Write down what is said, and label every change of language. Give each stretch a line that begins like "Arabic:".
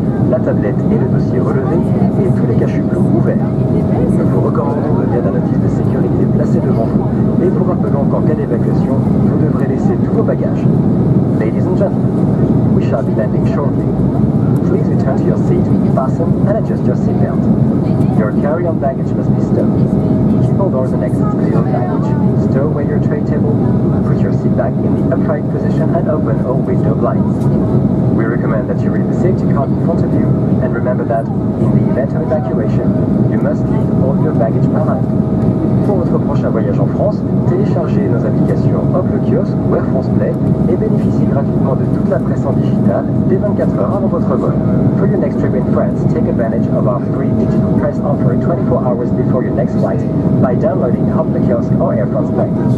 French: La tablette et le dossier relevés et tous les cachublots ouverts. Nous vous recommandons de bien avertir de sécurité placé devant vous et vous rappelons qu'en cas d'évacuation, vous devrez laisser tous vos bagages.
English: Ladies and gentlemen, we shall be landing shortly. Please return to your seat, fasten and adjust your seatbelt. Your carry-on baggage must be stowed. Keep all doors and exits clear of baggage. Stow away your tray table. Put your seat back in the upright position and open all window blinds. We recommend that you read the safety card in front of you and remember that, in the event of evacuation, you must leave all your baggage behind.
French: Pour votre prochain voyage en France, téléchargez nos applications Hop le kiosque ou Air France Play et bénéficiez gratuitement de toute la presse en digital dès 24 heures avant votre vol.
English: For your next trip in France, take advantage of our free digital press offer 24 hours before your next flight by downloading Hop le kiosque or Air France Play.